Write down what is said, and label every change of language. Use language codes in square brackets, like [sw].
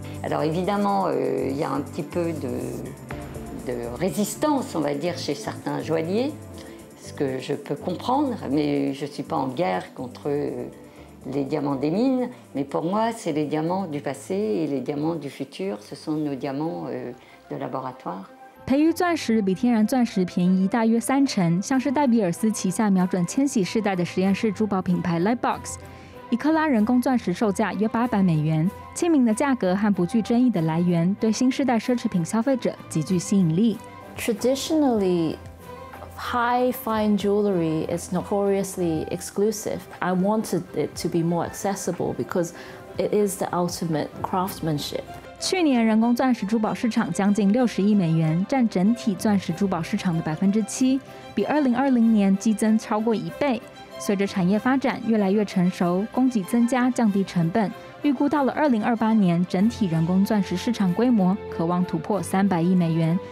[fr] Alors évidemment, il y a un petit peu de résistance, on va dire, chez certains joailliers, ce que je peux comprendre, mais je ne suis pas en guerre contre les diamants des mines. Mais pour moi, c'est les diamants du passé et les diamants du futur, ce sont nos diamants de laboratoire. [zh] 培育钻石比天然钻石便宜大约三成，像是戴比尔斯旗下瞄准千禧世代的实验室珠宝品牌 Lightbox， 一克拉人工钻石售价约$800，亲民的价格和不具争议的来源，对新世代奢侈品消费者极具吸引力。 [en] Traditionally, high fine jewelry is notoriously exclusive. I wanted it to be more accessible because it is the ultimate craftsmanship. [zh] 去年人工钻石珠宝市场将近$60亿，占整体钻石珠宝市场的7%，比2020年激增超过一倍。随着产业发展越来越成熟，供给增加，降低成本，预估到了2028年，整体人工钻石市场规模可望突破$300亿。